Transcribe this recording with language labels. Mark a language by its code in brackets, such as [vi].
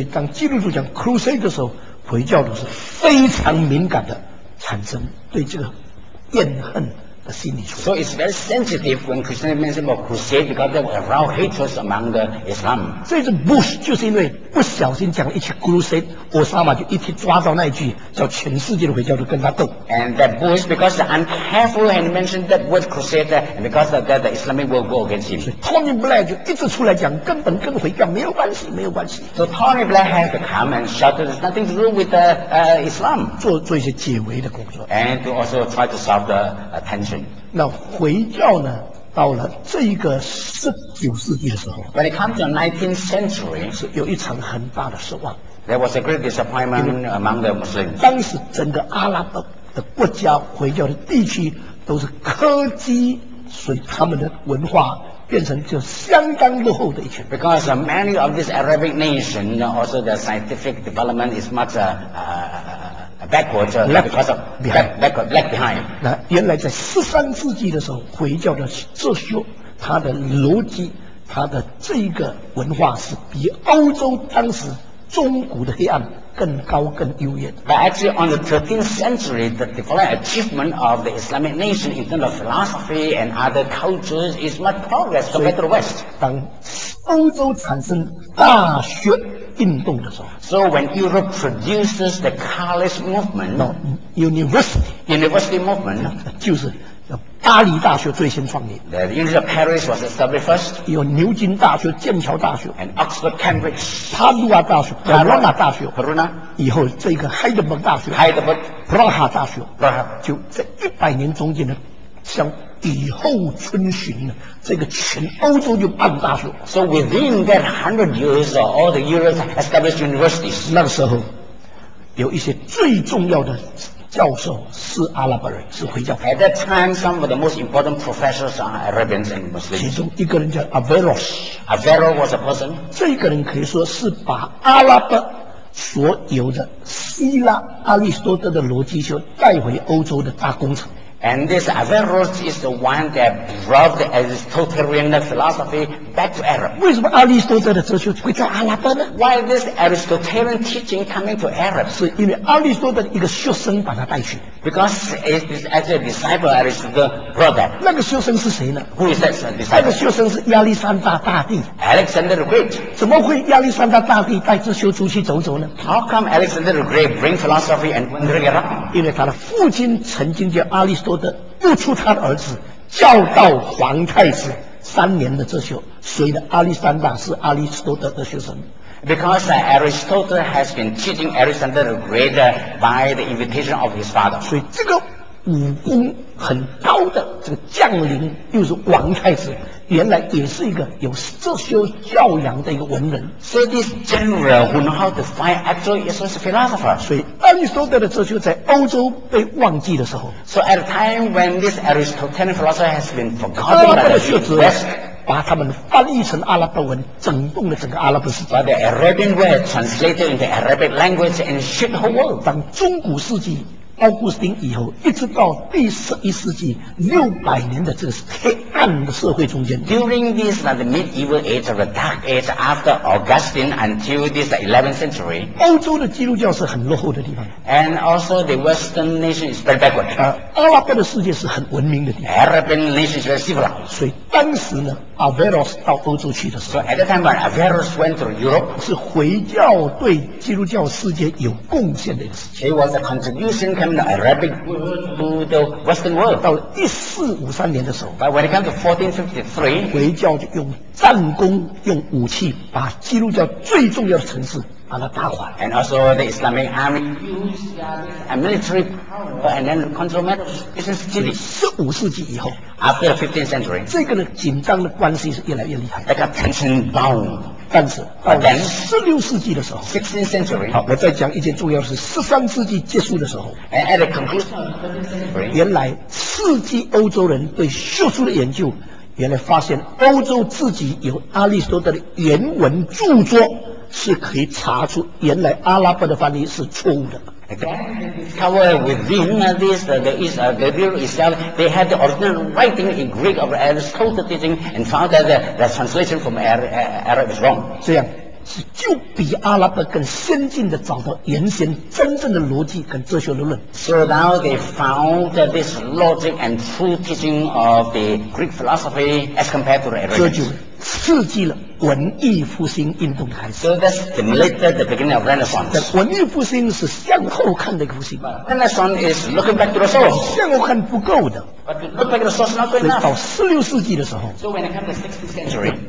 [zh] 所以当基督徒讲 crusade 的时候，回教徒是非常敏感的，产生对这个怨恨。 [en] So it's very sensitive when Christians mention about crusade because there were raw hatreds among the Islam. [zh] 这次 Bush 就是因为不小心讲了一句 crusade， 奥巴马就一起抓到那一句，叫全世界的回教都跟他斗。 [en] And that Bush because the uncareful and mentioned that word crusade and because of that the Islamic world go against him. [zh] Tony Blair 就一直出来讲，根本跟回教没有关系，没有关系。 [en] So Tony Blair had to come and shout there's nothing to do with the Islam. [zh] 做一些解围的工作。 [en] And to also try to solve the tension. [zh] 那回教呢？到了这一个十九世纪的时候 [en] ，When it comes to nineteenth century， [zh] 是有一场很大的失望。 [en] There was a great disappointment among the Muslims。 [zh] 当时整个阿拉伯的国家回教的地区都是科技，所以他们的文化变成就相当落后的一群。 [en] Because many of these Arabic nations, also the scientific development is much backward. [zh] 那原来在十三世纪的时候，回教的哲学、它的逻辑、它的这个文化是比欧洲当时中古的黑暗更高更优越。 [en] But actually, on the 13th century, the development achievement of the Islamic nation in terms of philosophy and other cultures is much progress compared to the West. [zh] 当欧洲产生大学运动的时候 [en] ，So when Europe produces the college movement, no, university movement, [zh] 就是巴黎大学最先创立。 [en] The University of Paris was established first. [zh] 有牛津大学、剑桥大学 [en] ，and Oxford, Cambridge, [zh] 帕杜瓦大学、科罗纳大学、科罗纳。以后这个海德堡大学、海德堡、普拉哈大学、普拉哈，就在一百年中间呢，像以后春巡这个全欧洲就办大学。 [en] So within that 100 years, all the Europe established universities. [zh] 那个时候，有一些最重要的教授是阿拉伯人，是回教。 [en] At that time, some of the most important professors are Arabians and Muslims. [zh] 其中一个人叫 Averroes. [en] Averroes was a person. [zh] 这个人可以说是把阿拉伯所有的希腊阿里士多德的逻辑学带回欧洲的大工程。 [en] And this Averroes is the one that brought the Aristotelian philosophy back to Arab. [zh] 为什么阿里斯托德的哲学会在阿拉伯呢？ [en] Why this Aristotelian teaching coming to Arab? [zh] 是因为阿里斯托德一个学生把他带去。 [en] Because it is as a disciple Aristotle brought that. [zh] 那个学生是谁呢？ [en] Who is that disciple? [zh] 那个学生是亚历山大大帝。 [en] Alexander the Great. [zh] 怎么会亚历山大大帝带哲学出去走走呢？ [en] How come Alexander the Great bring philosophy and bring it up? [zh] 因为他的父亲曾经叫阿里斯托德不出他的儿子教导皇太子三年的哲学，所以的阿里山大是阿里斯托德的学生。 [en] Because Aristotle has been teaching Alexander the Great by the invitation of his father. [zh] 所以这个武功很高的这个将领又是王太子，原来也是一个有哲学教养的一个文人。 [en] So this general who knows how to fight actually is also a philosopher. [zh] 所以阿里斯托德的哲学在欧洲被忘记的时候 [en] ，So at a time when this Aristotelian philosophy has been forgotten by the West. [zh] 把他们翻译成阿拉伯文，整动了整个阿拉伯世界。 [en] By the Arabian word translated into Arabic language and shook the whole world. [zh] 当中古世纪奥古斯丁以后，一直到第十一世纪六百年的这个黑暗的社会中间 [en] ，During this the medieval age or the dark age after Augustine until this 11th century， [zh] 欧洲的基督教是很落后的地方。 [en] And also the Western nation is very backward。 [zh] 阿拉伯的世界是很文明的地方。 [en] Arab nation is very civilized。 [zh] 所以当时呢 ，Averroes 到欧洲去的时候 [en] ，So at the time when Averroes went to Europe， [zh] 是回教对基督教世界有贡献的一个事情。 [en] It was a contribution。 Came the Arabic to the Western world. [zh] 到了一四五三年的时候 [en] ，But when it comes to 1453, [zh] 回教就用战功、用武器把基督教最重要的城市把它打垮。 [en] And also the Islamic army used a military power and then control matters. This is city. [zh] 十五世纪以后 [en] ，After the 15th century, [zh] 这个呢紧张的关系是越来越厉害。 [en] That got tension bound. [zh] 但是到了十六世纪的时候 [en] ，16th century， [zh] 好，我再讲一件重要的事。十三世纪结束的时候 [en] ，and at the conclusion， [zh] 原来刺激欧洲人对学术的研究，原来发现欧洲自己有阿里斯托德的原文著作，是可以查出原来阿拉伯的翻译是错误的。 [en] However, within this, the Bible itself, they had the original writing in Greek of Aristotle teaching and found that the translation from Arab is wrong. [zh] 这样是就比阿拉伯更先进的找到原先真正的逻辑跟哲学理论。 [en] So now they found that this logic and true teaching of the Greek philosophy as compared to the Arab. [zh] 这就刺激了文艺复兴运动的开始。 [en] So that stimulated the beginning of Renaissance. [zh] 文艺复兴是向后看的一个复兴。 [en] Renaissance is looking back to the source. [zh] 向后看不够的。 [en] But look back to the source not good enough. [zh] 到十六世纪的时候 [en] ，So when it comes to 16th century,